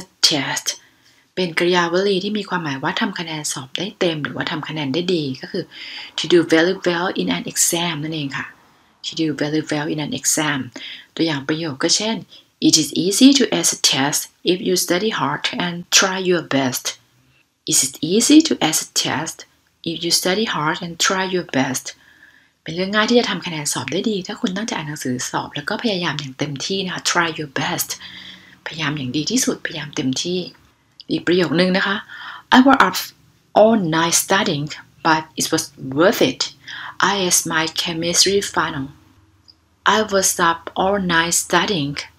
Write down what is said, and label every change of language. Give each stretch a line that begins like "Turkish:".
Thai: test เป็นกริยาวลีที่มีความหมายว่าทำคะแนนสอบได้เต็มหรือว่าทำคะแนนได้ดีก็คือ
English: to do very well in an exam
Thai: นั่นเองค่ะ to do very well in an exam ตัวอย่างประโยคก็เช่น
English: It is easy to ace a test if you study hard and try your best. It is easy to ace a test if you study hard and try your best.
Thai: เป็นเรื่องง่ายที่จะทำคะแนนสอบได้ดีถ้าคุณตั้งใจอ่านหนังสือสอบแล้วก็พยายามอย่างเต็มที่นะคะ
English: try your best
Thai: พยายามอย่างดีที่สุดพยายามเต็มที่อีกประโยคนึงนะคะ
English: I was up all night studying but it was worth it. I aced my chemistry final. I was up all night studying.